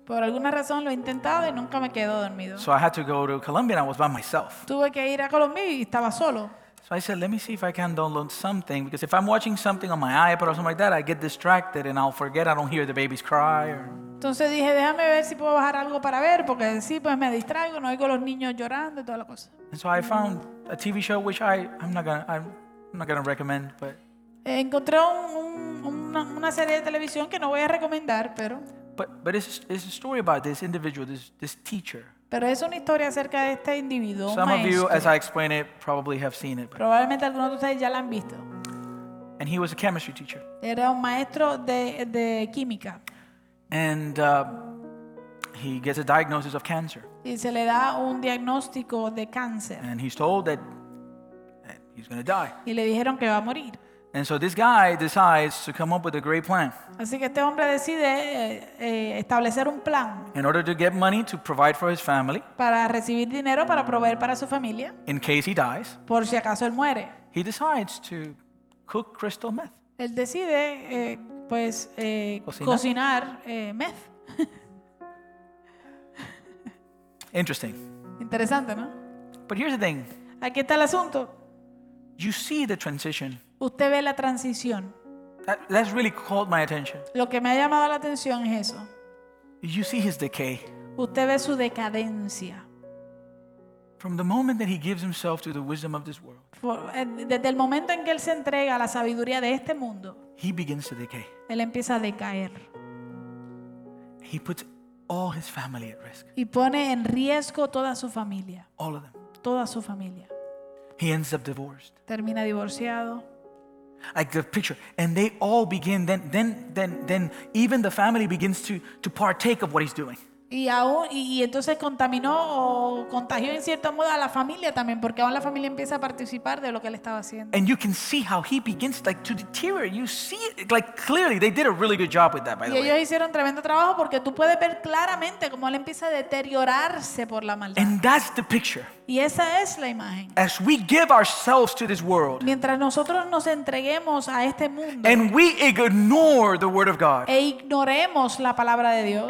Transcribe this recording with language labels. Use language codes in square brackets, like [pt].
[es] Por alguna razón lo he intentado y nunca me quedo dormido. [en] So I had to go to Colombia and I was by myself. [es] Tuve que ir a Colombia y estaba solo. [en] So I said, let me see if I can download something, because if I'm watching something on my iPad or something like that, I get distracted and I'll forget, I don't hear the baby's cry. [es] Entonces dije, déjame ver si puedo bajar algo para ver, porque sí, pues me distraigo, no oigo los niños llorando y toda la cosa. [en] And so I found a TV show which I'm not gonna recommend, but. [es] Encontré una serie de televisión que no voy a recomendar, pero. [en] But it's a story about this individual, this teacher. [es] Pero es una historia acerca de este individuo. [en] Some [es] maestro. [en] Of you, as I explain it, probably have seen it. [es] Probablemente algunos de ustedes ya lo han visto. [en] And he was a chemistry teacher. [es] Era un maestro de química. [en] And he gets a diagnosis of cancer. [es] Y se le da un diagnóstico de cáncer. [en] And he's told that he's going to die. [es] Y le dijeron que va a morir. [en] And so this guy decides to come up with a great plan. [es] Así que este hombre decide establecer un plan. [en] In order to get money to provide for his family. [es] Para recibir dinero para proveer para su familia. [en] In case he dies. [es] Por si acaso él muere. [en] He decides to cook crystal meth. [es] Él decide cocinar meth. [en] Interesting. [es] Interesante, ¿no? [en] But here's the thing. [es] Aquí está el asunto. [en] You see the transition. [es] Usted ve la transición. [en] That's really caught my attention. [es] Lo que me ha llamado la atención es eso. [en] You see his decay. [es] Usted ve su decadencia. [en] From the moment that he gives himself to the wisdom of this world, [es] desde el momento en que él se entrega a la sabiduría de este mundo, [en] he begins to decay. [es] Él empieza a decaer. [en] He puts all his family at risk. [es] Y pone en riesgo toda su familia. [en] All of them. [es] Toda su familia. [en] He ends up divorced. [es] Termina divorciado. [en] Like the picture, and they all begin. Then even the family begins to partake of what he's doing. [es] Y entonces contaminó o contagió en cierto modo a la familia también, porque aún la familia empieza a participar de lo que él estaba haciendo. [en] And you can see how he begins like to deteriorate. You see it, like clearly they did a really good job with that, by the way. [es] Y ellos hicieron tremendo trabajo porque tú puedes ver claramente cómo él empieza a deteriorarse por la maldad. [en] And that's the picture. [es] Y esa es la imagen. [en] As we give ourselves to this world, [es] mientras nosotros nos entreguemos a este mundo, [en] and we ignore the word of God, [es] e ignoremos la palabra de Dios,